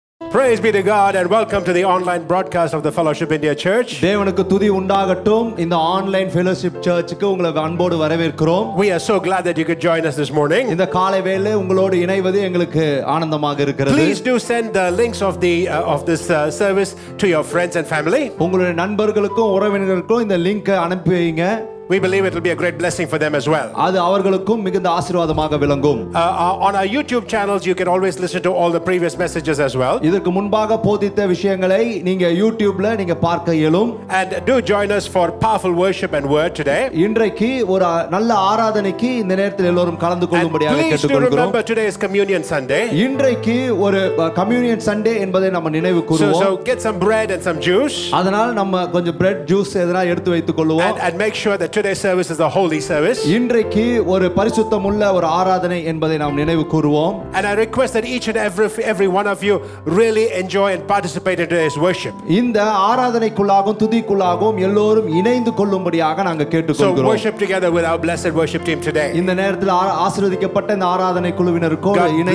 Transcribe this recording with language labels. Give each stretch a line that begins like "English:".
English: Praise be to God and welcome to the online broadcast of the Fellowship India Church.
Tamil: தேவனுக்கு துதி உண்டாகட்டும் இந்த online fellowship சர்ச்சுக்கு உங்களை அன்போடு வரவேற்கிறோம்.
English: We are so glad that you could join us this morning.
Tamil: இந்த காலை வேளை உங்களோடு இணைவது எங்களுக்கு ஆனந்தமாக இருக்கிறது.
English: Please do send the links of the of this service to your friends and family.
Tamil: உங்களுடைய நண்பர்களுக்கும் உறவினர்களுக்கும் இந்த லிங்க் அனுப்பி வைங்க.
English: We believe it will be a great blessing for them as well.
Tamil: அது அவர்களுக்கும் மிகுந்த ஆசீர்வாதமாக விளங்கும்.
English: On our YouTube channels you can always listen to all the previous messages as well.
Tamil: இதற்கு முன்பாக போதித்த விஷயங்களை நீங்க YouTubeல நீங்க பார்க்க இயலும்.
English: And do join us for powerful worship and word today.
Tamil: இன்றைக்கு ஒரு நல்ல ஆராதனைக்கு இந்த நேரத்தில் எல்லாரும் கலந்து கொள்ளும்படியாக கேட்டுக்கொள்கிறோம்.
English: Please remember today is communion Sunday.
Tamil: இன்றைக்கு ஒரு communion Sunday என்பதை நாம் நினைவு கூறுவோம்.
English: So get some bread and some juice.
Tamil: அதனால் நம்ம கொஞ்சம் bread juice எதனா எடுத்து வைத்துக் கொள்வோம்.
English: And make sure that today's service is a holy service.
Tamil: இன்றைக்கு ஒரு பரிசுத்தமுள்ள ஒரு ஆராதனை என்பதை நாம் நினைவுகூருவோம்.
English: And I request that each and every one of you really enjoy and participate in today's worship.
Tamil: இந்த ஆராதனைக்குள்ளாகவும் துதிக்குள்ளாகவும் எல்லோரும் இணைந்து கொள்ளும்படியாக நாங்க கேட்டுக்கொள்கிறோம்.
English: So worship together with our blessed worship team today.
Tamil: இந்த நேரத்தில் ஆசீர்வதிக்கப்பட்ட இந்த ஆராதனை குழுவினருக்கு இணைந்து